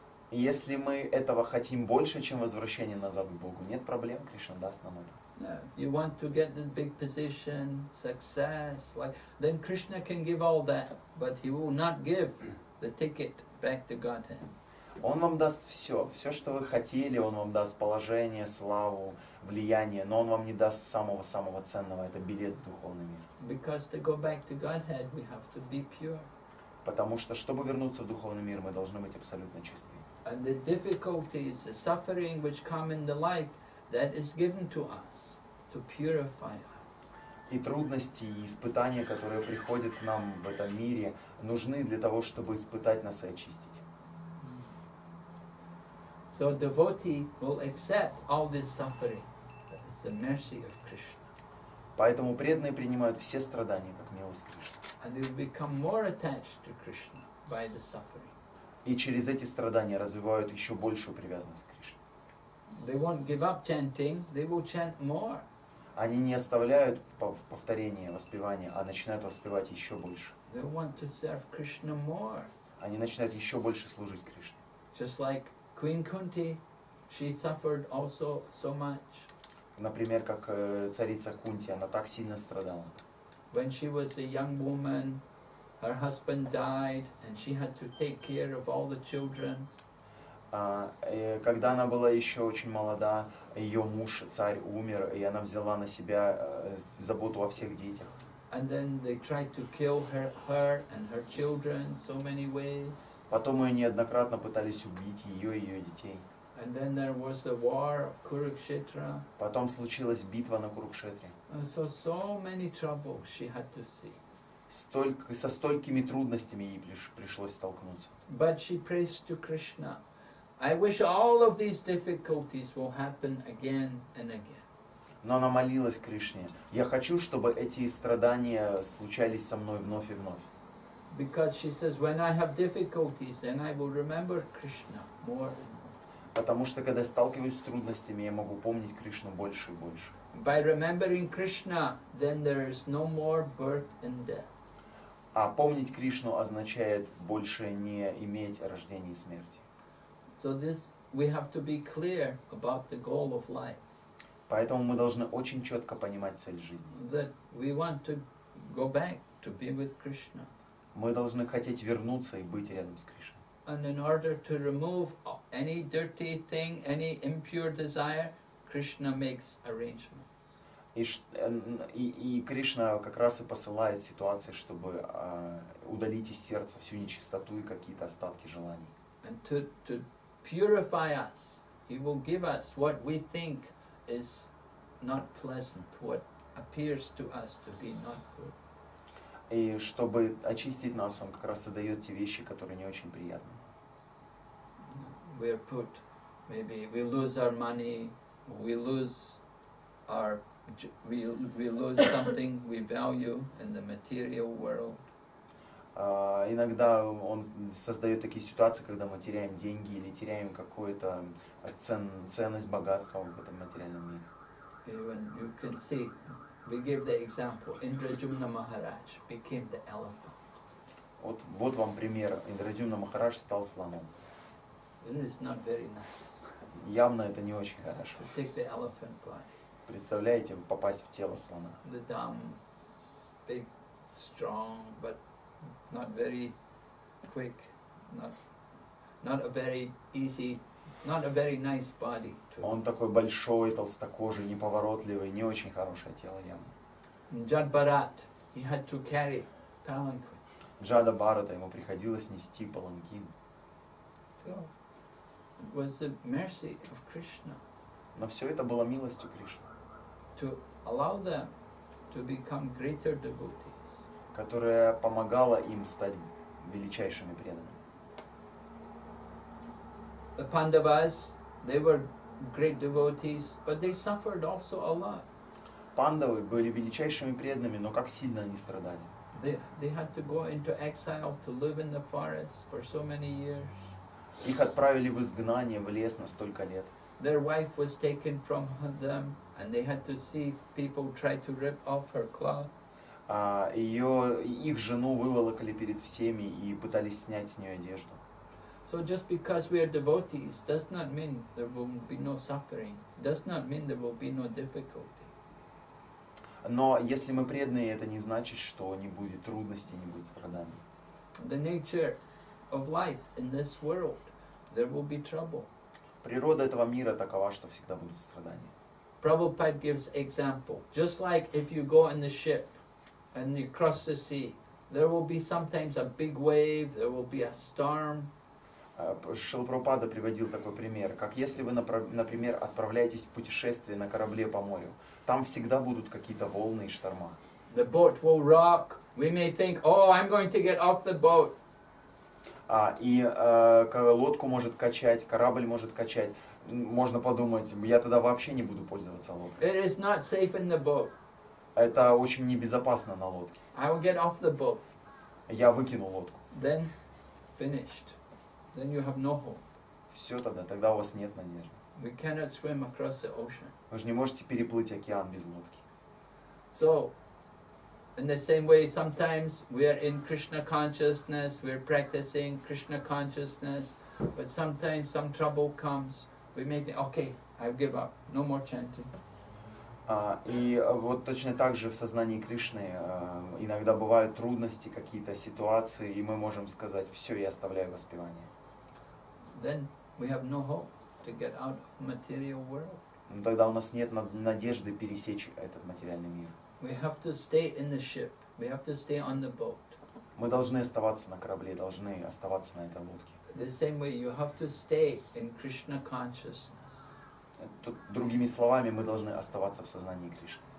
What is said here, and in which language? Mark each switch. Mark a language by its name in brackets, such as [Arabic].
[Russian] Если мы этого хотим больше, чем возвращение назад к Богу, нет проблем, Кришна даст нам это. [English] You want to get this big position, success, like then Krishna can give all that, but he will not give the ticket back to Godhead. [Russian] Он вам даст все, все, что вы хотели, он вам даст положение, славу, влияние, но он вам не даст самого-самого ценного, это билет в духовный мир. [English] Because to go back to Godhead, we have to be pure. [Russian] Потому что, чтобы вернуться в духовный мир, мы должны быть абсолютно чисты. [English] And the difficulties, the suffering which come in the life, that is given to us to purify us. [Russian] И трудности, и испытания, которые приходят к нам в этом мире, нужны для того, чтобы испытать нас и очистить. [English] So devotee will accept all this suffering as the mercy of Krishna. [Russian] Поэтому преданные принимают все страдания как милость Кришны. [English] And they will become more attached to Krishna by the suffering. [Russian] И через эти страдания развивают еще большую привязанность к Кришне. [English] They won't give up chanting, they will chant more. [Russian] Они не оставляют повторение, воспевание, а начинают воспевать еще больше. [English] They want to serve Krishna more. [Russian] Они начинают еще больше служить Кришне. [English] Just like Queen Kunti, she suffered also so much. [Russian] Например, как царица Кунти, она так сильно страдала. [English] When she was a young woman, her husband died, and she had to take care of all the children. [Russian] Когда она была еще очень молода, ее муж, царь, умер, и она взяла на себя заботу о всех детях. [English] And then they tried to kill her and her children so many ways. [Russian] Потом ее неоднократно пытались убить ее и ее детей. [English] And then there was the war of Kurukshetra. [Russian] Потом случилась битва на Курукшетре. [English] And so many troubles she had to see. [Russian] Со столькими трудностями ей пришлось столкнуться. [English] But she prays to Krishna, I wish all of these difficulties will happen again and again. [Russian] Но она молилась Кришне, я хочу, чтобы эти страдания случались со мной вновь и вновь. [English] Because she says, when I have difficulties, then I will remember Krishna more and more. [Russian] Потому что когда сталкиваюсь с трудностями, я могу помнить Кришну больше и больше. [English] By remembering Krishna, then there is no more birth and death. [Russian] А помнить Кришну означает больше не иметь рождения и смерти. [English] So this, we have to be clear about the goal of life. [Russian] Поэтому мы должны очень четко понимать цель жизни. [English] That we want to go back to be with Krishna. [Russian] Мы должны хотеть вернуться и быть рядом с Кришной. [English] And in order to remove any dirty thing, any impure desire, Krishna makes arrangements. [Russian] И Кришна как раз и посылает ситуации, чтобы удалить из сердца всю нечистоту и какие-то остатки желаний. [English] And to purify us, he will give us what we think is not pleasant, what appears to us to be not good. [Russian] И чтобы очистить нас, он как раз и дает те вещи, которые не очень приятны. [English] We are put, maybe we lose our money, we lose our we lose something we value in the material world. [Russian] Иногда он создает такие ситуации, когда мы теряем деньги или теряем какую-то ценность богатства в этом материальном мире. [English] Even you can see, we give the example. Indrajumna Maharaj became the elephant. [Russian] Вот вам пример. Индрадюмна Махарадж стал слоном. [English] It is not very nice. [Russian] Явно это не очень хорошо. [English] To take the elephant body. [Russian] Представляете, попасть в тело слона. [English] The dumb, big, strong, but not very quick, not a very nice body. [Russian] Он такой большой, толстокожий, неповоротливый, не очень хорошее тело явно. [English] Jada Bharat, he had to carry palanquin. [Russian] Jada Bharat, ему приходилось нести паланкин. [English] So, it was the mercy of Krishna. [Russian] Но все это было милостью Кришны. [English] To allow them to become greater devotees. [Russian] Которая помогала им стать величайшими преданными. [English] The Pandavas, they were great devotees, but they suffered also a lot. [Russian] Пандавы были величайшими преданными, но как сильно они страдали. [English] They had to go into exile to live in the forest for so many years. [Russian] Их отправили в изгнание в лес на столько лет. [English] their wife was taken from them, and they had to see people try to rip off her cloth. [Russian] Ее, их жену выволокали перед всеми и пытались снять с нее одежду. [English] So just because we are devotees does not mean there will be no suffering, does not mean there will be no difficulty. [Russian] Но если мы преданные, это не значит, что не будет трудностей, не будет страданий. [English] The nature of life in this world, there will be trouble. [Russian] Природа этого мира такова, что всегда будут страдания. [English] Prabhupada gives example, just like if you go in the ship and you cross the sea, there will be sometimes a big wave, there will be a storm. [Russian] Шрила Прабхупада приводил такой пример, как если вы, например, отправляетесь в путешествие на корабле по морю, там всегда будут какие-то волны и шторма. [English] The boat will rock. We may think, oh, I'm going to get off the boat. [Russian] Лодку может качать, корабль может качать. Можно подумать, я тогда вообще не буду пользоваться лодкой. [English] It is not safe in the boat. [Russian] Это очень небезопасно на лодке. [English] I will get off the boat. [Russian] Я выкину лодку. [English] Then finished. Then you have no hope. [Russian] Все тогда у вас нет надежды. [English] We cannot swim across the ocean. [Russian] Вы же не можете переплыть океан без лодки. [English] So, in the same way, sometimes we are in Krishna consciousness, we are practicing Krishna consciousness, but sometimes some trouble comes. We may think, okay, I give up, no more chanting. [Russian] Вот точно так же в сознании Кришны иногда бывают трудности, какие-то ситуации, и мы можем сказать, все, я оставляю воспевание. [English] Then we have no hope to get out of material world. [Russian] Тогда у нас нет надежды пересечь этот материальный мир. [English] We have to stay in the ship. We have to stay on the boat. [Russian] Мы должны оставаться на корабле, должны оставаться на этой лодке. [English] The same way you have to stay in Krishna consciousness. [Russian] Другими словами, мы должны оставаться в сознании Кришны.